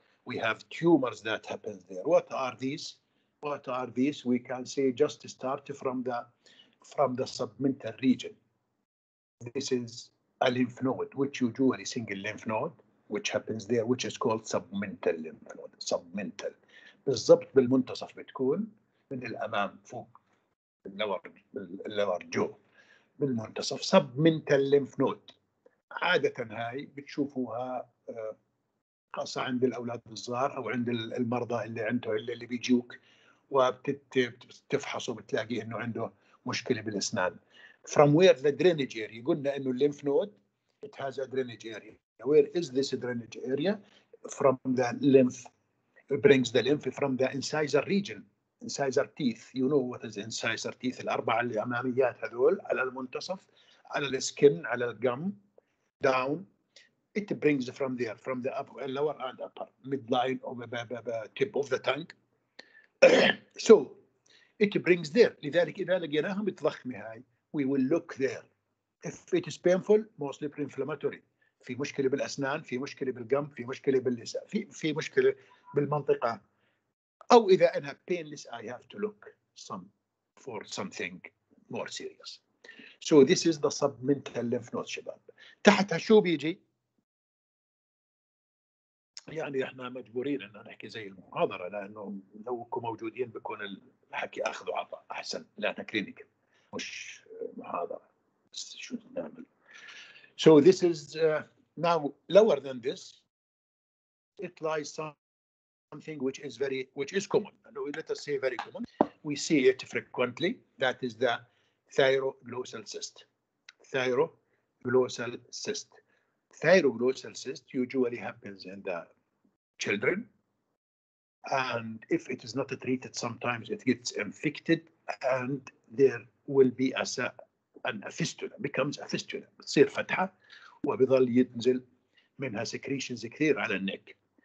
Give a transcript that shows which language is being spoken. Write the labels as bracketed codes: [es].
[en] We have tumors that happen there. What are these? What are these? We can say just start from the submental region. This is a lymph node, which you do a single lymph node, which happens there, which is called submental lymph node, submental. [ar] بالضبط بالمنتصف بتكون من الأمام فوق اللور جو بالمنتصف submental lymph node. عادة هاي بتشوفوها خاصة عند الأولاد الصغار أو عند المرضى اللي بيجوك وبتفحصوا بتلاقي إنه عنده مشكلة بالأسنان. [en] From where the drainage area؟ [ar] قلنا إنه [en] lymph node it has a drainage area. Where is this drainage area? From the lymph, it brings the lymph from the incisor region. incisor teeth. You know what is incisor teeth, [ar] الأربعة اللي أماميات هذول على المنتصف, [en] على the skin, على the gum, down. It brings from there, from the upper, lower and upper, midline or tip of the tongue. So it brings there. [ar] لذلك إذا لقيناها متضخمة هاي, [en] we will look there. If it is painful, mostly pre-inflammatory. [ar] في مشكلة بالأسنان, في مشكلة بالجم, في مشكلة باللسة, في مشكلة بالمنطقة. أو إذا أنا [en] painless, I have to look some for something more serious. So this is the submental lymph node, [ar] شباب. تحتها شو بيجي؟ يعني إحنا مجبورين إن نحكي زي المحاضرة, لأنه لو كنتم موجودين بكون الحكي أخذ وعطى أحسن, لأنها كلينيك مش محاضرة. شو نعمل؟ [en] So this is now lower than this. It lies something which is very, which is common. Let us say very common. We see it frequently. That is the thyroglossal cyst. Thyroglossal cyst. Thyroglossal cyst usually happens in the children. And if it is not treated, sometimes it gets infected and there will be a fistula, becomes a fistula. [ar] بتصير فتحة وبيظل ينزل منها secretions كثير على النك.